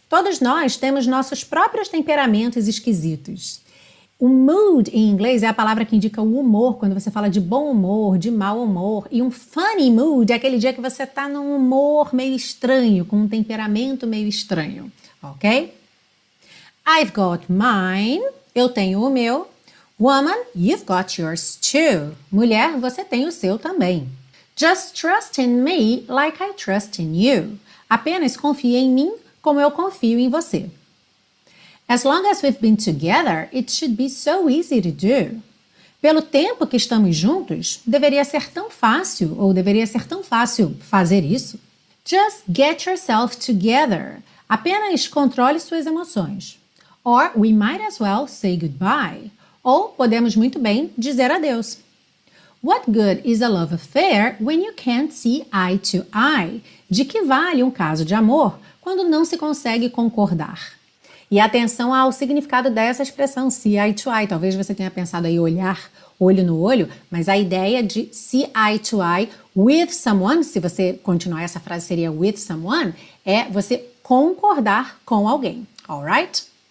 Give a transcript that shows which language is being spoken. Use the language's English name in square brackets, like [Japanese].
[Portuguese] Todos nós temos nossos próprios temperamentos esquisitos. O mood em inglês é a palavra que indica o humor, quando você fala de bom humor, de mau humor. E um funny mood é aquele dia que você tá num humor meio estranho, com um temperamento meio estranho, ok? [English] I've got mine, [Portuguese] eu tenho o meu. [English] Woman, you've got yours too. [Portuguese] Mulher, você tem o seu também. [English] Just trust in me like I trust in you. [Portuguese] Apenas confie em mim como eu confio em você. [English] As long as we've been together, it should be so easy to do. [Portuguese] Pelo tempo que estamos juntos, deveria ser tão fácil ou deveria ser tão fácil fazer isso. [English] Just get yourself together. [Portuguese] Apenas controle suas emoções. [English] Or we might as well say goodbye. [Portuguese] Ou podemos muito bem dizer adeus. [English] What good is a love affair when you can't see eye to eye? [Portuguese] De que vale um caso de amor quando não se consegue concordar? E atenção ao significado dessa expressão, [English] see eye to eye. [Portuguese] Talvez você tenha pensado aí olhar olho no olho, mas a ideia de [English] see eye to eye with someone, [Portuguese] se você continuar essa frase seria [English] with someone, [Portuguese] é você concordar com alguém, [English] alright?